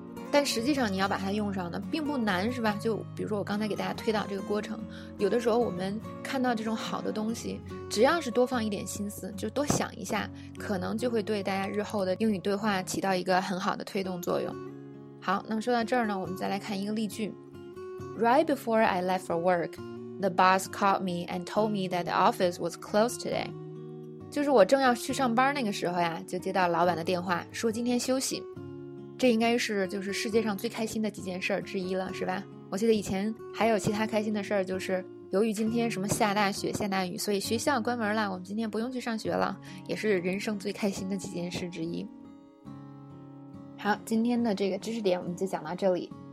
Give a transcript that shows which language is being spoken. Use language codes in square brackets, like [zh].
[zh] 但实际上你要把它用上呢并不难，是吧？就比如说我刚才给大家推导这个过程，有的时候我们看到这种好的东西，只要是多放一点心思，就多想一下，可能就会对大家日后的英语对话起到一个很好的推动作用。好，那么说到这儿呢，我们再来看一个例句。 [en] Right before I left for work, the boss called me and told me that the office was closed today. [zh] 就是我正要去上班那个时候呀，就接到老板的电话说今天休息。这应该是就是世界上最开心的几件事儿之一了，是吧？我记得以前还有其他开心的事儿，就是由于今天什么下大雪下大雨，所以学校关门了，我们今天不用去上学了，也是人生最开心的几件事之一。好，今天的这个知识点我们就讲到这里。